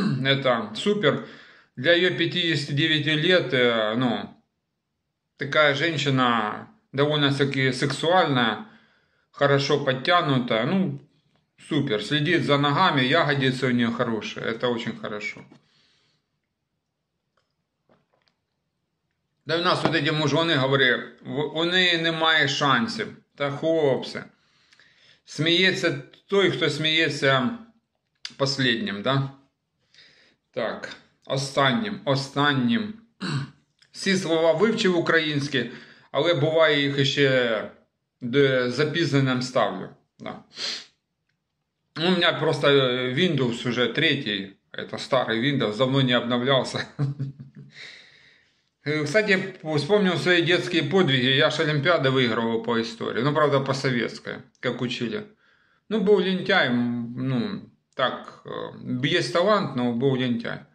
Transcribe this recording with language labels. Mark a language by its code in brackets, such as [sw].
[ru] Это супер. Для ее 59 лет, ну, такая женщина довольно-таки сексуальная, хорошо подтянутая. Ну, супер, следит за ногами, ягодицы у нее хорошие, это очень хорошо. Да у нас вот эти мужики, говорят, [uk] у неї немає шансів. Та хлопці. Сміється той, хто сміється останнім, да? Так, останнім. Всі слова вивчив українські, але буває їх ще запізненням ставлю. [ru] Да. [uk] У мене просто Windows уже третій. Це старий Windows, давно не обновлявся. [ru] Кстати, вспомнил свои детские подвиги. Я ж олимпиады выигрывал по истории. Ну, правда, по советской, как учили. Ну, был лентяй, ну, так, есть талант, но был лентяй.